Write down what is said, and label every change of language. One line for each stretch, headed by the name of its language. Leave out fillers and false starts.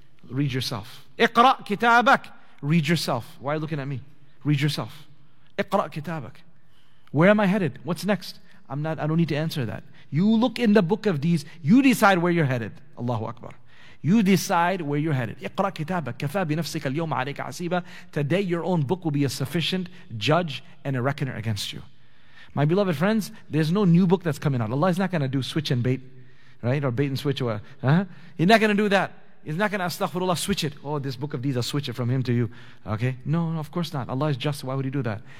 English: Read yourself.
Arabic: اِقْرَأْ كِتَابَكْ.
English: Read yourself. Why are you looking at me? Read yourself.
Arabic: اِقْرَأْ كِتَابَكْ.
English: Where am I headed? What's next? I don't need to answer that. You look in the book of deeds. You decide where you're headed. Allahu Akbar. You decide where you're headed.
Arabic: اقرأ كتابك كفى بنفسك اليوم عليك عصيبة.
English: Today your own book will be a sufficient judge and a reckoner against you. My beloved friends, there's no new book that's coming out. Allah is not going to do switch and bait. Right? Or bait and switch. He's not going to do that. He's not going to, astaghfirullah, switch it. Oh, this book of deeds, I'll switch it from him to you. Okay? No, of course not. Allah is just. Why would He do that?